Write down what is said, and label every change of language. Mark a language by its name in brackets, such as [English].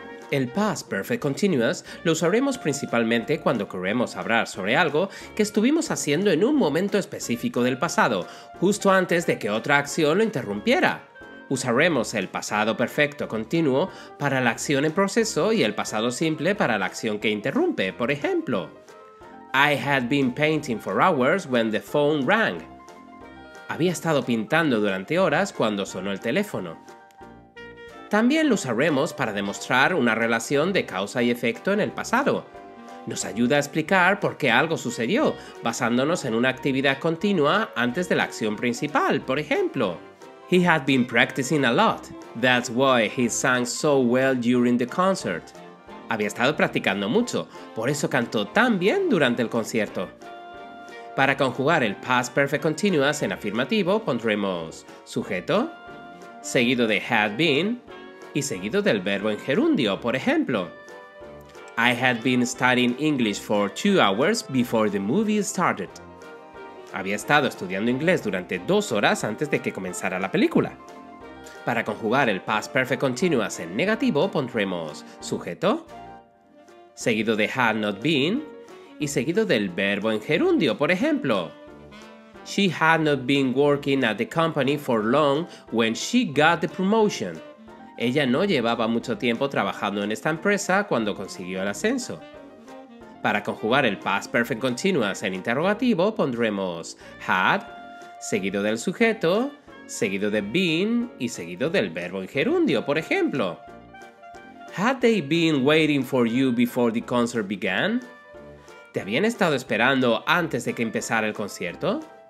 [Spanish] El past perfect continuous lo usaremos principalmente cuando queremos hablar sobre algo que estuvimos haciendo en un momento específico del pasado, justo antes de que otra acción lo interrumpiera. Usaremos el pasado perfecto continuo para la acción en proceso y el pasado simple para la acción que interrumpe, por ejemplo. [English] I had been painting for hours when the phone rang. [Spanish] Había estado pintando durante horas cuando sonó el teléfono. También lo usaremos para demostrar una relación de causa y efecto en el pasado. Nos ayuda a explicar por qué algo sucedió, basándonos en una actividad continua antes de la acción principal, por ejemplo. [English] He had been practicing a lot. That's why he sang so well during the concert. [Spanish] Había estado practicando mucho, por eso cantó tan bien durante el concierto. Para conjugar el past perfect continuous en afirmativo, pondremos sujeto, seguido de had been, y seguido del verbo en gerundio, por ejemplo. [English] I had been studying English for 2 hours before the movie started. [Spanish] Había estado estudiando inglés durante 2 horas antes de que comenzara la película. Para conjugar el past perfect continuous en negativo, pondremos sujeto, seguido de had not been, y seguido del verbo en gerundio, por ejemplo. [English] She had not been working at the company for long when she got the promotion. [Spanish] Ella no llevaba mucho tiempo trabajando en esta empresa cuando consiguió el ascenso. Para conjugar el past perfect continuous en interrogativo, pondremos had, seguido del sujeto, seguido de been y seguido del verbo en gerundio, por ejemplo. [English] Had they been waiting for you before the concert began? [Spanish] ¿Te habían estado esperando antes de que empezara el concierto?